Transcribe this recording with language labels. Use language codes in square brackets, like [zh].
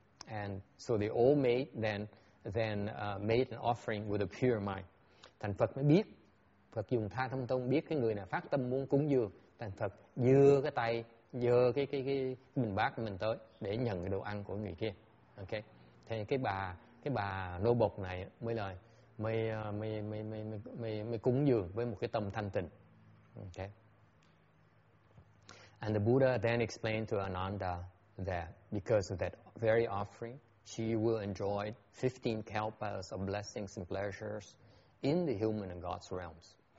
[en] And so the old maid then made an offering with a pure mind. [vi] Thành Phật mới biết. Phật dùng tha thông tông biết cái người này phát tâm muốn cúng dường, thành Phật đưa cái tay, đưa cái mình bát mình tới để nhận cái đồ ăn của người kia. Ok. Thế cái bà nô bộc này mới lời mới cúng dường với một cái tâm thanh tịnh. [en] Ok. And the Buddha then explained to Ananda that because of that very offering, she will enjoy 15 kalpas of blessings and pleasures in the human and God's realms.